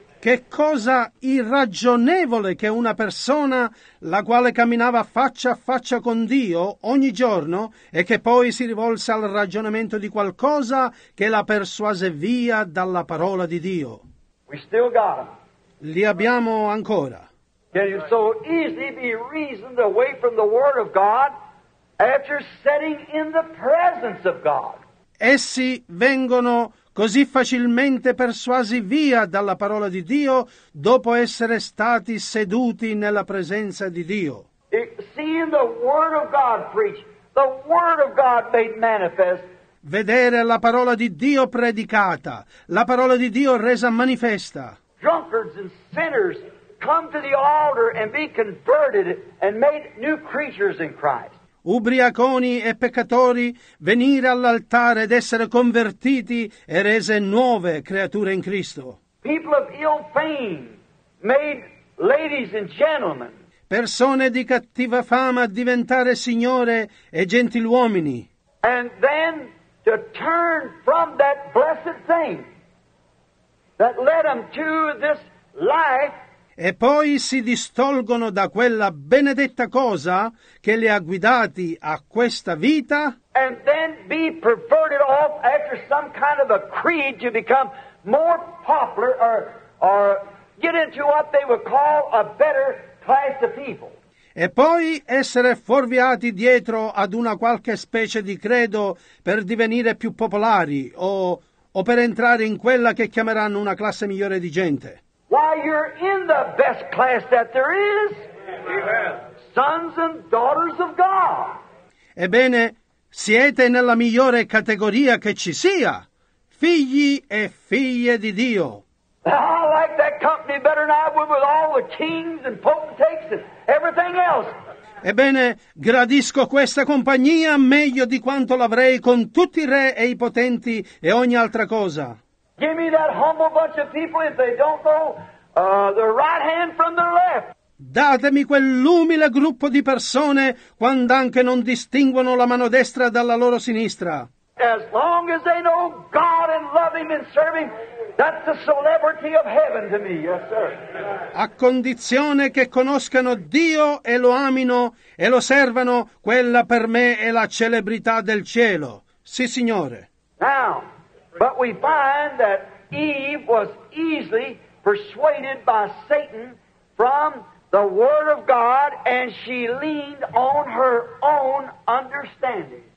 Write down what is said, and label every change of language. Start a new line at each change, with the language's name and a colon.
Italian: Che cosa irragionevole che una persona la quale camminava faccia a faccia con Dio ogni giorno e che poi si rivolse al ragionamento di qualcosa che la persuase via dalla parola di Dio.
English: We still got them.
Italian: Li abbiamo ancora.
English: Can you so easily be reasoned away from the Word of God after sitting in the presence of God?
Italian: Essi vengono così facilmente persuasi via dalla parola di Dio dopo essere stati seduti nella presenza di Dio.
English: Seeing the Word of God preached, the Word of God made manifest.
Italian: Vedere la parola di Dio predicata, la parola di Dio resa manifesta.
English: Drunkards and sinners come to the altar and be converted and made new creatures in Christ.
Italian: Ubriaconi e peccatori venire all'altare ed essere convertiti e rese nuove creature in Cristo.
English: People of ill fame made ladies and gentlemen.
Italian: Persone di cattiva fama diventare signore e gentiluomini.
English: And then to turn from that blessed thing that led them to this life.
Italian: E poi si distolgono da quella benedetta cosa che li ha guidati a questa vita.
English: And then be perverted off after some kind of a creed to become more popular or get into what they would call a better class of people.
Italian: e poi essere fuorviati dietro ad una qualche specie di credo per divenire più popolari o per entrare in quella che chiameranno una classe migliore di gente.
English: Why, you're in the best class that there is. Sons and daughters of God.
Italian: Ebbene, siete nella migliore categoria che ci sia, figli e figlie di Dio.
English: I like that company better than I would with all the kings and potentates and everything else.
Italian: Ebbene, gradisco questa compagnia meglio di quanto l'avrei con tutti i re e i potenti e ogni altra cosa.
English: Give me that humble bunch of people if they don't know their right hand from their left.
Italian: Datemi quell'umile gruppo di persone quando anche non distinguono la mano destra dalla loro sinistra.
English: As long as they know God and love Him and serve Him, that's the celebrity of heaven to me, yes sir.
Italian: A condizione che conoscano Dio e lo amino e lo servano, quella per me è la celebrità del cielo. Sì, Signore.
English: Now, but we find that Eve was easily persuaded by Satan from the word of God, and she leaned on her own understanding.